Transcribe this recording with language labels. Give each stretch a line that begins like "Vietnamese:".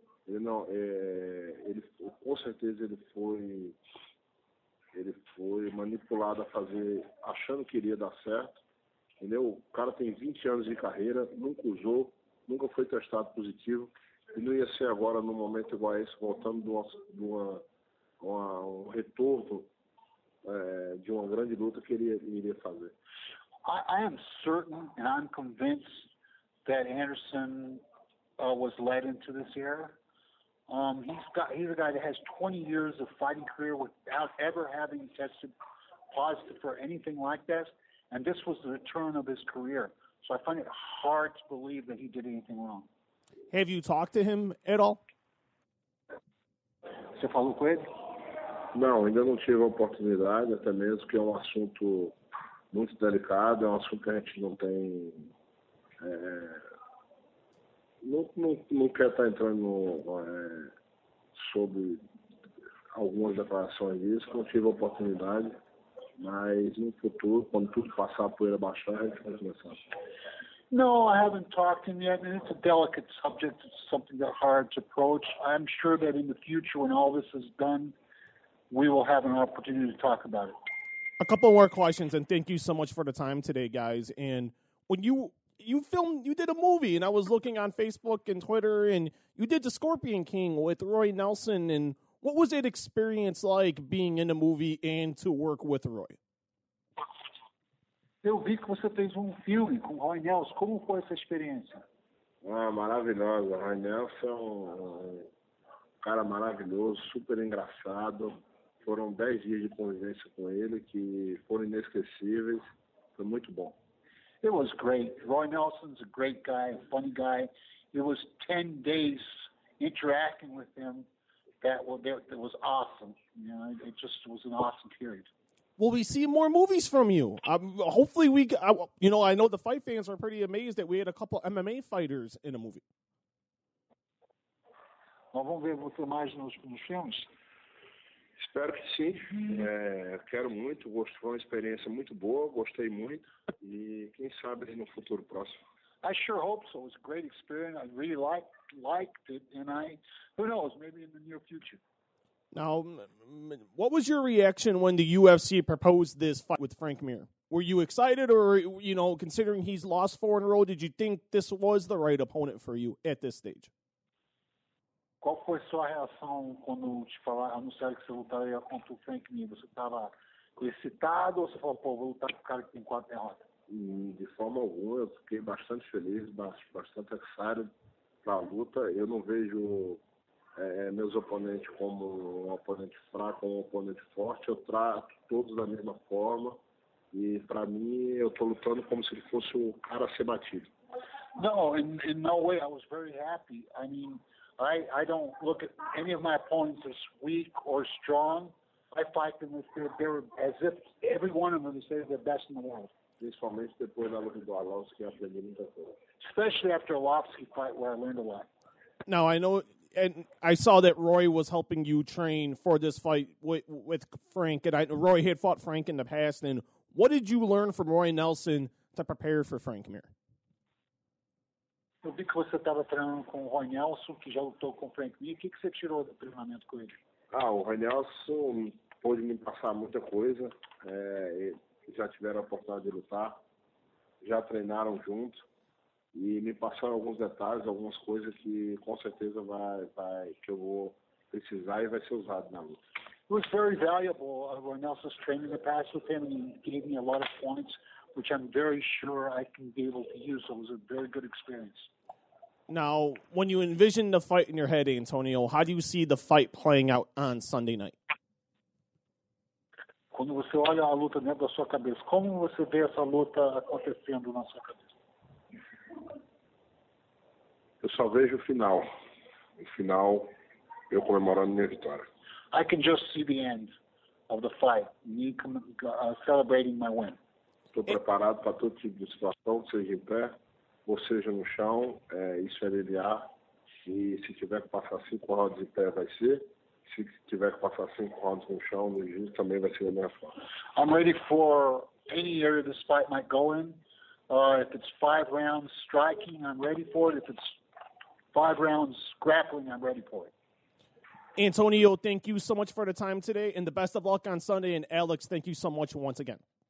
Portuguese: Ele não, ele, com certeza ele foi manipulado a fazer, achando que iria dar certo. Entendeu? O cara tem 20 anos de carreira, nunca usou, nunca foi testado positivo. E não ia ser agora, num momento igual a esse, voltando um retorno de uma grande luta que ele iria fazer.
English: I am certain and I'm convinced that Anderson was led into this era. He's a guy that has 20 years of fighting career without ever having tested positive for anything like this, and this was the return of his career. So I find it hard to believe that he did anything wrong. Have you talked to him at all?
Portuguese: Você falou com ele? Não, ainda não tive a oportunidade, até mesmo que é um assunto muito delicado, é um assunto que a gente não tem. Não quer estar entrando sobre algumas declarações disso, não tive a oportunidade, mas no futuro, quando tudo passar a poeira baixar, a gente vai começar.
English: No, I haven't talked to him yet. And it's a delicate subject, it's something that's hard to approach. I'm sure that in the future, when all this is done, we will have an opportunity to talk about it. A couple more questions, and thank you so much for the time today, guys. And when you did a movie, and I was looking on Facebook and Twitter, and you did The Scorpion King with Roy Nelson. And what was that experience like, being in a movie and to work with Roy?
Portuguese: Eu vi que você fez filme com Roy Nelson. Como foi essa experiência? Ah, maravilhosa. Roy Nelson é cara maravilhoso, super engraçado. Foram 10 dias de convivência com ele que foram inesquecíveis. Foi muito bom.
English: It was great. Roy Nelson's a great guy, a funny guy. It was 10 days interacting with him that was awesome. You know, it just was an awesome period. Will we see more movies from you? Hopefully we you know, I know the fight fans are pretty amazed that we had a couple MMA fighters in a movie.
Portuguese: Nós vamos ver você mais nos filmes. Espero que sim. Quero muito. Gostou? Foi uma experiência muito boa. Gostei muito. E quem sabe no futuro próximo.
English: I sure hope so. It was a great experience. I really liked it. And who knows, maybe in the near future. Now, what was your reaction when the UFC proposed this fight with Frank Mir? Were you excited or, you know, considering he's lost 4 in a row, did you think this was the right opponent for you at this stage?
Portuguese: Qual foi sua reação quando anunciaram que você lutaria contra o Frank Mir? Você estava excitado ou você falou, pô, vou lutar com o cara que tem 4 derrotas? de forma alguma, eu fiquei bastante feliz, bastante excited para a luta. Eu não vejo meus oponentes como um oponente fraco ou um oponente forte, eu trato todos da mesma forma. E para mim, eu estou lutando como se ele fosse o cara a ser batido.
English: Não, in no way. I was very happy. I mean, I don't look at any of my opponents as weak or strong. I fight them as if every one of them is the best in the world.
Portuguese: Principalmente depois da luta do Arlovski, aprendi muita coisa.
English: Especially after a Arlovski fight, where I learned a lot. Now I know, and I saw that Roy was helping you train for this fight with Frank. And Roy had fought Frank in the past. And what did you learn from Roy Nelson to prepare for Frank Mir?
Portuguese: Eu vi que você estava treinando com o Roy Nelson, que já lutou com o Frank Mir. O que você tirou do treinamento com ele? Ah, o Roy Nelson pôde me passar muita coisa. Já tiveram a oportunidade de lutar. Já treinaram juntos. E me passaram alguns detalhes, algumas coisas que com certeza que eu vou precisar e vai ser usado na luta.
English: It was very valuable, Roy Nelson's training the past with him. He gave me a lot of points, which I'm very sure I can be able to use. So it was a very good experience. Now, when you envision the fight in your head, Antonio, how do you see the fight playing out on Sunday night?
Portuguese: Quando você olha a luta dentro da sua cabeça, como você vê essa luta acontecendo na sua cabeça? Eu só vejo o final. O final, eu comemorando minha vitória.
English: I can just see the end of the fight, me celebrating my win.
Portuguese: Estou preparado para todo tipo de situação, seja em pé ou seja no chão, isso é aliviar. E se tiver que passar 5 rounds em pé, vai ser. Se tiver que passar 5 rounds no chão, no jiu-jitsu, também vai ser da minha forma.
English: I'm ready for any area this fight might go in. If it's 5 rounds striking, I'm ready for it. If it's 5 rounds grappling, I'm ready for it. Antonio, thank you so much for the time today, and the best of luck on Sunday. And Alex, thank you so much once again.